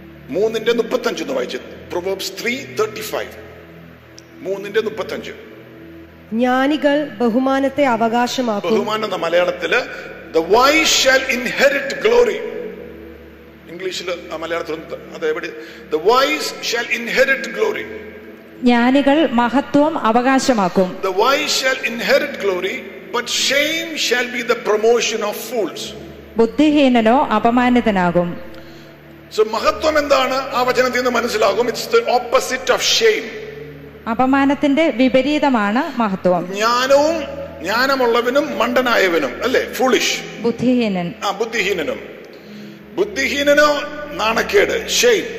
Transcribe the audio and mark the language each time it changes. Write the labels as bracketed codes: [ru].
[ml] 3:35 എന്ന് വായിച്ചു. പ്രൊവേർബ്സ് 3:35. 3:35. ജ്ഞാനികൾ ബഹുമാനത്തെ അവകാശമാക്കും. ബഹുമാനം എന്ന മലയാളത്തില് [en] the wise shall inherit glory. [ml] ഇംഗ്ലീഷിൽ മലയാളത്തിലും അതേപടി [en] the wise shall inherit glory. [ml] ജ്ഞാനികൾ മഹത്വം അവകാശമാക്കും. [en] The wise shall inherit glory, but shame shall be the promotion of fools. [ml] ബുദ്ധിഹീനനോ അപമാനിതനാകും. So മഹത്വം എന്താണ്? ആ വചനത്തിൽ നിന്ന് മനസ്സിലാകും, [en] it's the opposite of shame. [ml] അപമാനത്തിന്റെ വിപരീതമാണ് മഹത്വം. ജ്ഞാനവും ജ്ഞാനമുള്ളവനും മണ്ടനായവനും അല്ലേ? ഫൂളിഷ്. ബുദ്ധിഹീനൻ. ആ ബുദ്ധിഹീനനും. ബുദ്ധിഹീനനോ നാണക്കേട്, ഷെയിം,